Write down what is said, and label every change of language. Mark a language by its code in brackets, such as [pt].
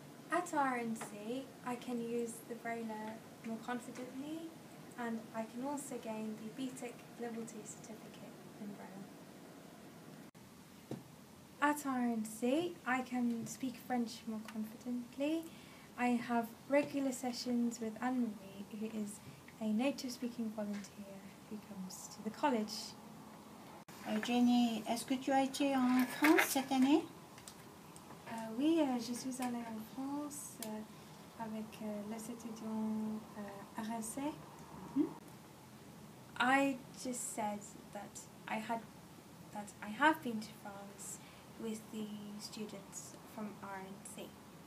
[en] At RNC I can use the brainer more confidently and I can also gain the BTEC Level 2 certificate in Braille. At RNC I can speak French more confidently. I have regular sessions with Anne-Marie, who is a native speaking volunteer who comes to the college. [fr] Eugénie, est-ce que tu as été en France cette année? Oui, je suis allée en France avec les étudiants RNC. [en] I just said that I have been to France with the students from RNC.